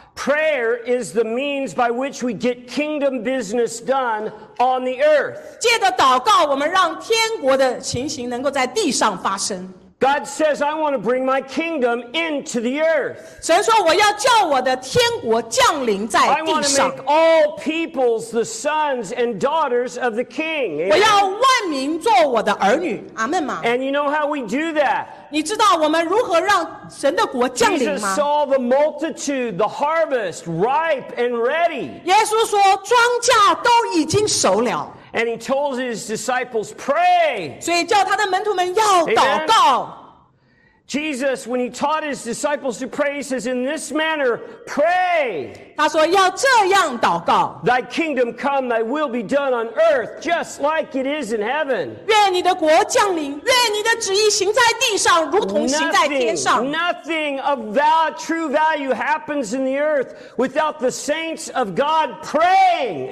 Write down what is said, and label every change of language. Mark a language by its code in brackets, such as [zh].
[en] Prayer is the means by which we get kingdom business done on the earth. [zh] 借着祷告，我们让天国的情形能够在地上发生。 [en] God says, I want to bring my kingdom into the earth. [zh] 神说我要叫我的天国降临在地上。 [en] I want to make all peoples the sons and daughters of the king. [zh] 我要万民做我的儿女。阿们吗? [en] And you know how we do that? [zh] 你知道我们如何让神的国降临吗? [en] Jesus saw the multitude, the harvest, ripe and ready. [zh] 耶稣说庄稼都已经熟了。 [en] And he told his disciples, pray. [zh] 所以叫他的门徒们要祷告。 [en] Jesus, when he taught his disciples to pray, he says, in this manner, pray. [zh] 他说要这样祷告。 [en] Thy kingdom come, thy will be done on earth, just like it is in heaven. [zh] 愿你的国降临, 愿你的旨意行在地上, 如同行在天上。 [en] Nothing of true value happens in the earth without the saints of God praying.